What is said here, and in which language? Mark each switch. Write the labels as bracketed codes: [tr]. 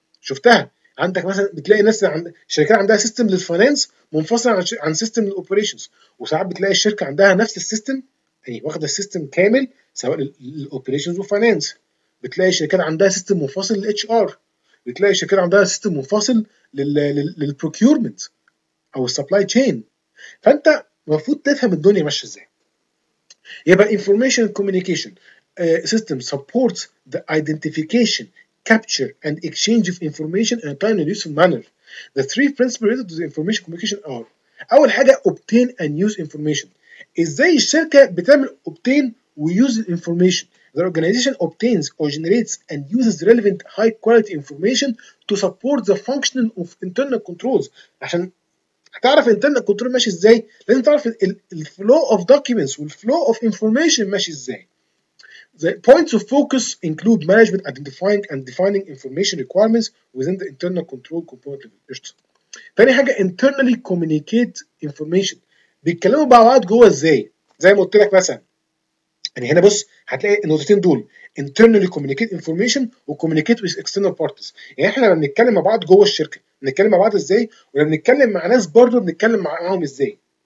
[ar] شفتها عندك مثلا بتلاقي ناس شركات عندها سيستم للفاينانس منفصل عن سيستم للاوبريشنز, وساعات بتلاقي الشركه عندها نفس السيستم, يعني واخد السيستم كامل سواء للاوبريشنز وفاينانس. بتلاقي شركات عندها سيستم منفصل للاتش ار, بتلاقي شركات عندها سيستم منفصل للبروكيورمنت او السبلاي تشين. فانت المفروض تفهم الدنيا ماشيه ازاي. يبقى [en] information and communication system supports the identification, capture and exchange of information in a timely and useful manner. The three principles related to the information communication are: [ar] أول حاجة [en] obtain and use information. [ar] إزاي الشركة بتعمل [en] obtain we use information. The organization obtains or generates and uses relevant high quality information to support the functioning of internal controls. [ar] عشان هتعرف [en] internal control [ar] ماشي ازاي لازم تعرف ال [en] flow of documents [ar] وال [en] flow of information [ar] ماشي ازاي. [en] The points of focus include management identifying and defining information requirements within the internal control component. [ar] تاني حاجة [en] internally communicate information. [ar] بيتكلموا مع بعض جوه ازاي, زي ما قلت لك مثلا. يعني هنا بص هتلاقي النقطتين دول [en] internally communicate information [ar] و [en] communicate with external parties. [ar] يعني احنا بنتكلم مع بعض جوه الشركة بنتكلم مع بعض ازاي, ولما بنتكلم مع ناس برضو بنتكلم معاهم ازاي.